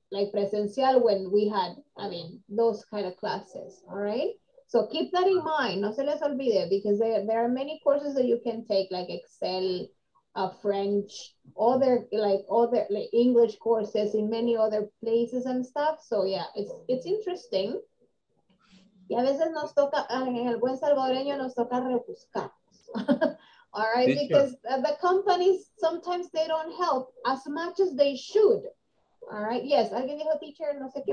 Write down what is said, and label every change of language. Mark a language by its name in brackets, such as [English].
[English] like presencial when we had, I mean, those kind of classes, all right? So keep that in mind, [Spanish] no se les olvide, [English] because there are many courses that you can take, like Excel, French, other English courses in many other places and stuff. So yeah, it's interesting. [Spanish] Y a veces nos toca, en el buen salvadoreño nos toca rebuscar. [English] All right, because the companies, sometimes they don't help as much as they should. All right, yes, [Spanish] alguien dijo teacher, no sé qué.